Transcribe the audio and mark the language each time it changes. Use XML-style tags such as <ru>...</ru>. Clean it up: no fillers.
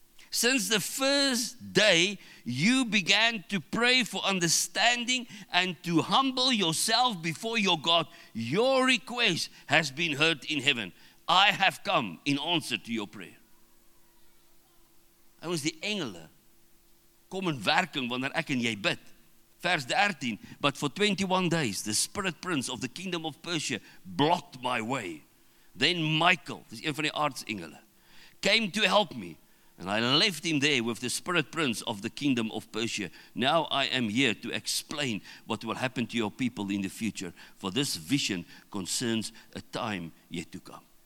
<en>Since the first day you began to pray for understanding and to humble yourself before your God, your request has been heard in heaven. I have come in answer to your prayer.</en> <af>Ons, die engele kom in werking wanneer ek en jy bid.</af> <en>Vers 13, but for 21 days, the spirit prince of the kingdom of Persia blocked my way. Then Michael,</en> <af>dis een van die aartsengele,</af> <en>came to help me, and I left him there with the spirit prince of the kingdom of Persia. Now I am here to explain what will happen to your people in the future, for this vision concerns a time yet to come.</en>